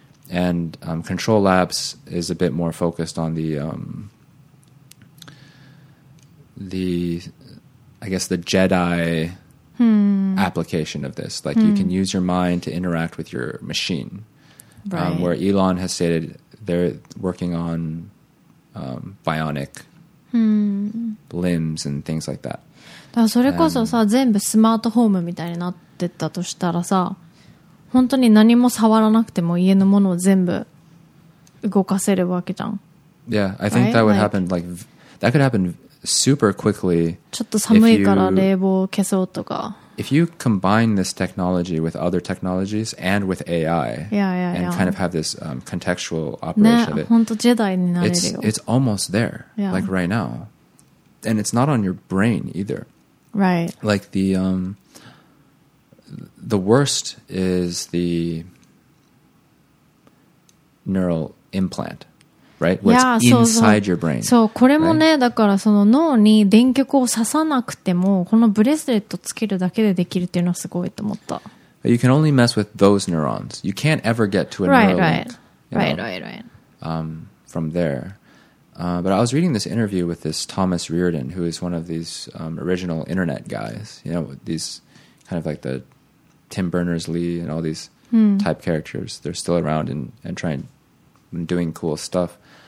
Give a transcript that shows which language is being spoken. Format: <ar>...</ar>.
<en>And Control Labs is a bit more focused on the Jedi application of this. Like you can use your mind to interact with your machine. Right. Where Elon has stated they're working on bionic limbs and things like that.</en> <ja>だからそれこそさ、全部スマートホームみたいになってったとしたらさ、本当に何も触らなくても家のものを全部動かせるわけじゃん。</ja> <en>Yeah, I think that would happen like that could happen super quickly.</en> <ja>ちょっと寒いから冷房を消そうとか。</ja> <en>If you combine this technology with other technologies and with AI, and kind of have this contextual operation of it,</en> <ja>本当ジェダイになれるよ。</ja> <en>It's almost there, like right now, and it's not on your brain either. Right. Like the worst is the neural implant, right? What's inside your brain.</en> <ja>そう、これもね、だからその脳に電極を刺さなくても、このブレスレットつけるだけでできるっていうのはすごいと思った。</ja> <en>But you can only mess with those neurons. You can't ever get to a neural link. Right. From there. But I was reading this interview with this Thomas Reardon, who is one of these original internet guys, you know, these kind of like the Tim Berners-Lee and all these type characters. They're still around and trying and doing cool stuff.</en>